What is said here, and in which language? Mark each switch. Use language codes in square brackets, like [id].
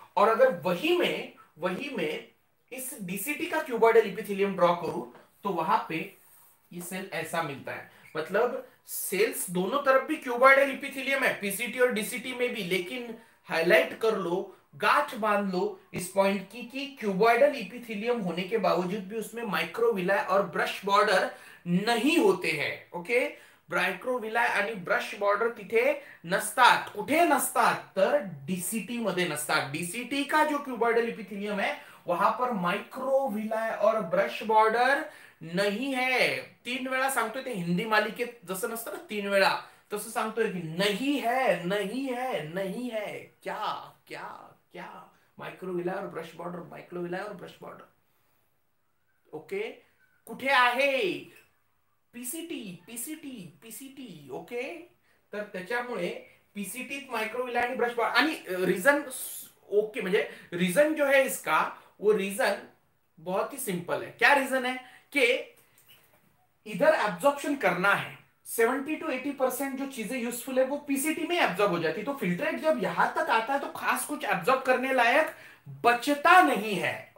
[hi] और अगर वही में इस डीसीटी का क्यूबॉइडल इपिथिलियम ड्रॉ करूं तो वहां पे ये सेल ऐसा मिलता है। मतलब सेल्स दोनों तरफ भी क्यूबॉइडल एपिथेलियम है, पीसीटी और डीसीटी में भी, लेकिन हाईलाइट कर लो, गांठ बांध लो इस पॉइंट की कि क्यूबॉइडल एपिथेलियम होने के बावजूद भी उसमें माइक्रोविलाय और ब्रश बॉर्डर नहीं होते हैं। [mr] ओके, माइक्रोविलाय आणि ब्रश बॉर्डर तिथे नसतात। कुठे नसतात? तर डीसीटी मध्ये नसतात। [hi] डीसीटी का जो क्यूबॉइडल एपिथेलियम है वहां पर माइक्रोविलाय और ब्रश बॉर्डर नहीं है। [mr] तीन वेळा सांगतोय, ते हिंदी मालिकेत जसं नसतं ना तीन वेळा, तसं सांगतोय की [hi] नहीं है, नहीं है, नहीं है। क्या क्या क्या? माइक्रोविला और ब्रश बॉर्डर, माइक्रोविला और ब्रश बॉर्डर। [mr] ओके, कुठे आहे? PCT, PCT, PCT. ओके, तर त्याच्यामुळे [hi] PCT माइक्रोविला and brush powder. Reason okay, मुझे रीजन जो है इसका, वो रीजन बहुत ही सिंपल है। क्या रीजन है कि इधर एब्जॉर्प्शन करना है, 70-80% जो चीजें यूजफुल है वो पीसीटी में एब्जॉर्ब हो जाती है, तो फिल्ट्रेट जब यहां तक आता है तो खास कुछ एब्जॉर्ब करने लायक बचता नहीं है।